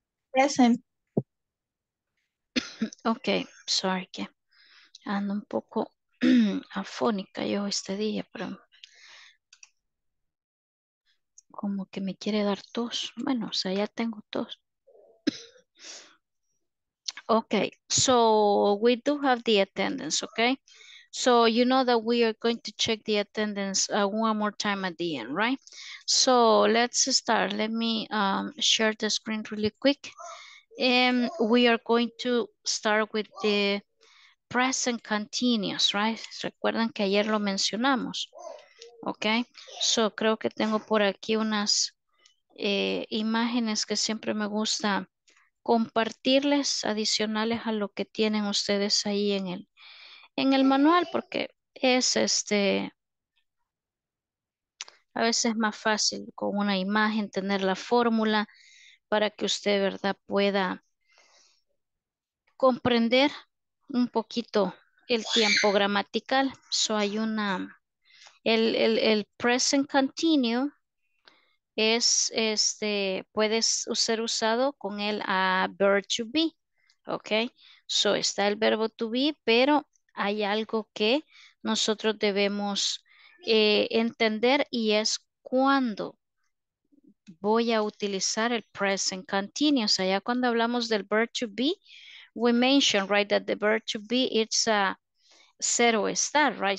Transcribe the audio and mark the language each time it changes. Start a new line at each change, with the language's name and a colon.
English: Present.
Spanish: Ok, sorry que ando un poco afónica yo este día, pero como que me quiere dar tos. Bueno, o sea, ya tengo tos.
English: Ok, so we do have the attendance, ok. So you know that we are going to check the attendance one more time at the end, right? So let's start. Let me share the screen really quick. And we are going to start with the present continuous, right?
Spanish: Recuerden que ayer lo mencionamos, okay? So creo que tengo por aquí unas imágenes que siempre me gusta compartirles adicionales a lo que tienen ustedes ahí en el manual, porque es este, a veces es más fácil con una imagen tener la fórmula para que usted, ¿verdad?, pueda comprender un poquito el tiempo gramatical. So hay una, el present continue es este, puede ser usado con el verb to be, ok. So está el verbo to be, pero hay algo que nosotros debemos entender y es cuando voy a utilizar el present continuous. Allá cuando hablamos del
English: verb to be, we mentioned, right, that the verb to be, it's a
Spanish: cero estar,
English: right?